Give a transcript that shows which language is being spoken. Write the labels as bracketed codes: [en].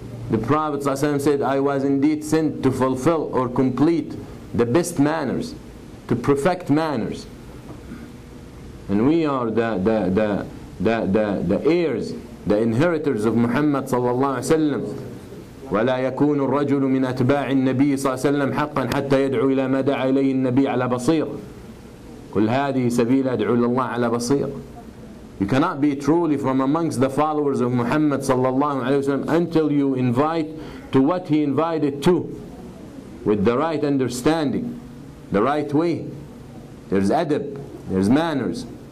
[en] The Prophet ﷺ said, I was indeed sent to fulfill or complete the best manners, to perfect manners. And we are the heirs, the inheritors of Muhammad ﷺ. [ar] ولا يكون الرجل من أتباع النبي صلى الله عليه وسلم حقا حتى يدعو إلى ما دعا إليه النبي على بصير. كل هذه سبيل أدعو إلى الله على بصير. [en] You cannot be truly from amongst the followers of Muhammad sallallahu alayhi wa sallam until you invite to what he invited to, with the right understanding, the right way. There's adab, there's manners.